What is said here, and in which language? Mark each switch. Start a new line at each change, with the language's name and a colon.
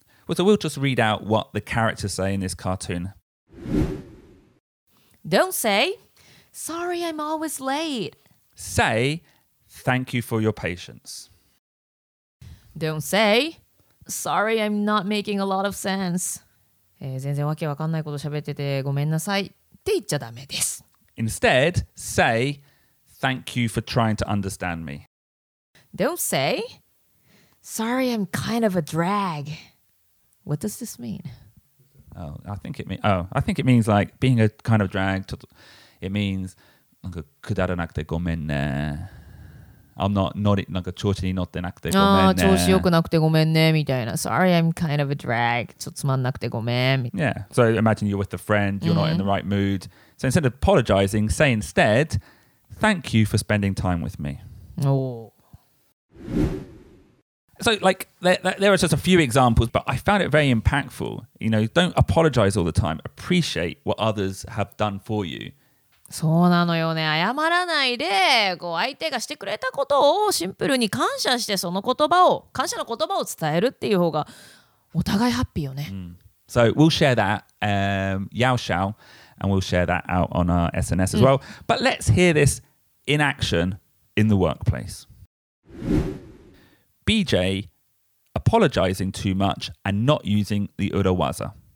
English: well, so we'll just read out what the characters say in this cartoon Don't say Sorry I'm always late Say Thank you for your patience Don't say Sorry, I'm not making a lot of sense.
Japanese: 全然わけわかんないこと喋っててごめんなさいって言っちゃダメです。
English: Instead, say, thank you for trying to understand me. Don't say, sorry, I'm kind of a drag. What does this mean? I think it means like being a kind of drag. It means,
Japanese: なんかくだらなくてごめんね。
English: I'm not, not it,
Japanese: なんか調子に乗ってなくてごめんね。ああ、調子良くなくてごめんねみたいな。
English: Sorry, I'm kind of a drag.
Japanese: ちょっとつまんなくてごめんみたいな。
English: Yeah, so imagine you're with a friend, you're not in the right mood. So instead of apologizing, say instead, thank you for spending time with me. Oh. So like, there are just a few examples, but I found it very impactful. You know, don't apologize all the time. Appreciate what others have done for you.
Japanese: そうなのよね。謝らないで、こう相手がしてくれたことをシンプルに感謝して、その言葉を、感謝の言葉を伝えるっていう方がお互いハッピーよね。 Mm.
English: So we'll share that, Yao Xiao, and we'll share that out on our SNS as well.、Mm. But let's hear this in action in the workplace. BJ apologizing too much and not using the urawaza.